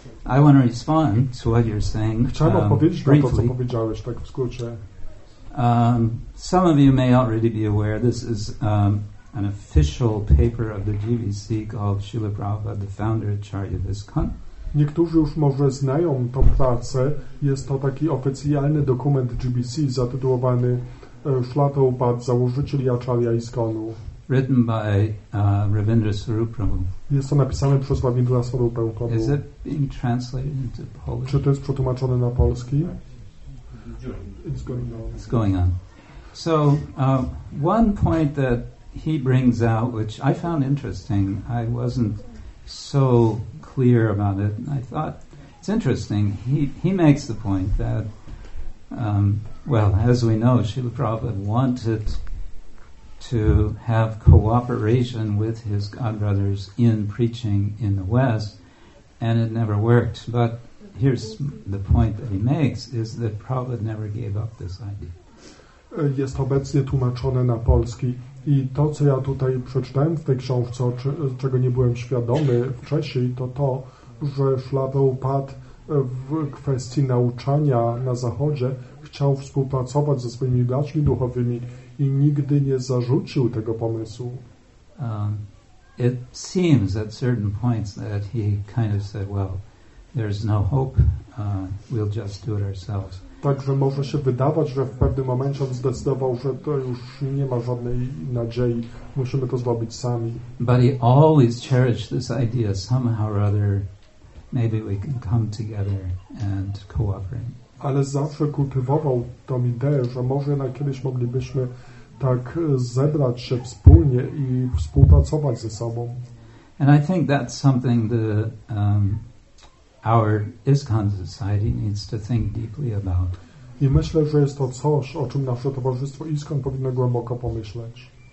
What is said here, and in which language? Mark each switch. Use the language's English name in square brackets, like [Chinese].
[English] I want to respond to what you're saying. Briefly. Some of you may already be aware this is an official paper of the GVC called Srila Prabhupada, the founder of Acharya Viskan. [Polish] Niektórzy już może znają tą pracę. Jest to taki oficjalny dokument GVC zatytułowany Srila Prabhupada, założyciel Acharya Iskonu. [English] Written by Ravindra Swarup Prabhu. [Polish] Jest to napisane przez Ravindra Swarup Prabhu. [English] Is it being translated into Polish? [Polish] Czy to jest przetłumaczone na polski? [English] It's going on. So one point that he brings out, which I found interesting, I wasn't so clear about it. I thought it's interesting. He makes the point that, as we know, Srila Prabhupada wanted to have cooperation with his godbrothers in preaching in the West, and it never worked. But here's the point that he makes, is that Prabhupada never gave up this idea. [Polish] Jest obecnie tłumaczone na polski. I to, co ja tutaj przeczytałem w tej książce, czego nie byłem świadomy wcześniej, to, że Srila Prabhupada w kwestii nauczania na Zachodzie chciał współpracować ze swoimi braćmi duchowymi i nigdy nie zarzucił tego pomysłu. [English] It seems at certain points that he kind of said, well, there's no hope, we'll just do it ourselves. [Polish] Także może się wydawać, że w pewnym momencie on zdecydował, że to już nie ma żadnej nadziei, musimy to zrobić sami. [English] But he always cherished this idea, somehow or other, maybe we can come together and cooperate. [Polish] Ale zawsze kultywował tą ideę, że może jednak kiedyś moglibyśmy tak zebrać się wspólnie i współpracować ze sobą. [English] And I think that's something the our ISKCON society needs to think deeply about. [Polish] I myślę, że jest to coś, o czym nasze towarzystwo ISKCON powinno głęboko pomyśleć.